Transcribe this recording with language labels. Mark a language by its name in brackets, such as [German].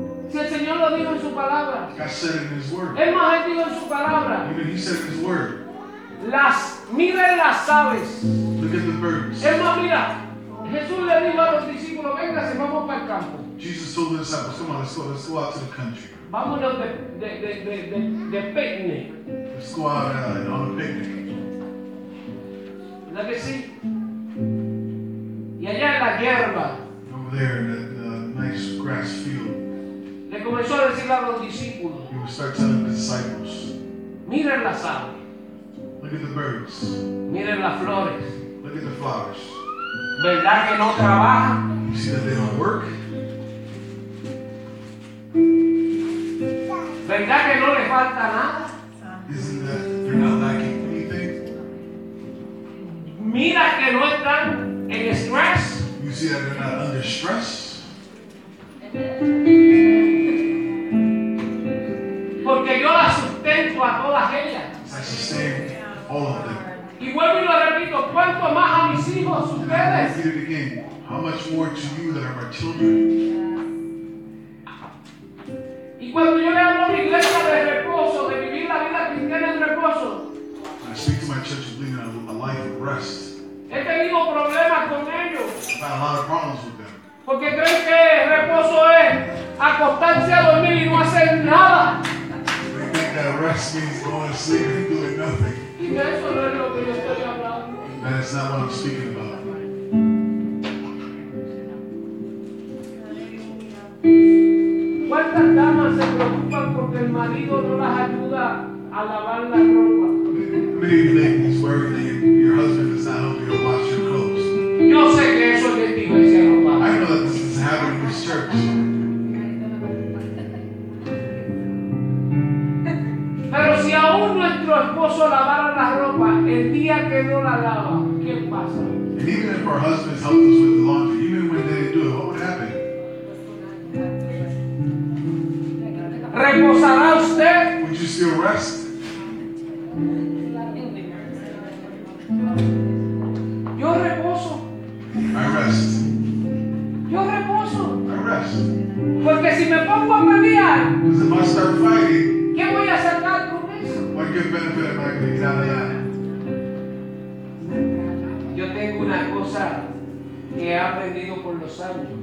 [Spanish] Si el Señor lo dijo en su palabra. [English] God said in His word. [Spanish] Es más, Él dijo en su palabra. [English] Even He said in His word. [Spanish] Miren las aves. [English] Look at the birds. [Spanish] Es más, mira. Jesús le dijo a los discípulos, venga, se vamos para el campo. [English] Jesus told the disciples, come on, let's go out to the country. [Spanish] Vámonos de picnic. [English] Let's go out on a picnic. Look at see. [Spanish] Y allá en la hierba. [English] Over there in the nice grass field. [Spanish] Le comenzó a decir a los discípulos. [English] He would start telling the disciples. [Spanish] Miren las aves. [English] Look at the birds. [Spanish] Miren las flores. [English] Look at the flowers. [Spanish] ¿Verdad que no trabaja? [English] You see that they don't work? [Spanish] ¿Verdad que no le falta nada? [English] Isn't that they're not lacking anything? [Spanish] Mira que no están en estrés. [English] You see that they're not under stress? [Spanish] Porque yo las sustento a todas ellas. [English] I sustain all of them. [Spanish] Y vuelvo y lo repito, ¿cuánto más a mis hijos ustedes? [English] I repeat it again. How much more to you that are my children? [Spanish] Y cuando yo le hablo a mi iglesia de reposo, de vivir la vida cristiana en reposo, [English] I speak to my church of living a a life of rest. [Spanish] He tenido problemas con ellos. [English] I've had a lot of problems with them. [Spanish] Porque creen que reposo es acostarse a dormir y no hacer nada. [English] They think that rest means going to sleep and doing nothing. [Spanish] Y eso no es lo que yo estoy hablando. [English] That is not what I'm speaking about. [Spanish] ¿Cuántas damas se preocupan porque el marido no las ayuda a lavar la ropa? [English] Many ladies worry that your husband is not helping you wash your clothes. [Spanish] Yo sé que eso es de iglesia, no pasa. [English] I know that this is happening in this church. [Spanish] Pero si aún nuestro esposo lavara la ropa el día que no la lava, ¿qué pasa? [English] And even if our husbands help us with the laundry, even when they do it, what would happen? [Spanish] ¿Reposará usted? [English] Would you still rest? [Spanish] Yo reposo. [English] I rest. [Spanish] Yo reposo. [English] I rest. [Spanish] Porque si me pongo a pelear, [English] because if I start fighting, [Spanish] ¿qué voy a sacar con eso? [English] What good benefit am I going to get out of that? [Spanish] Yo tengo una cosa que he aprendido por los años.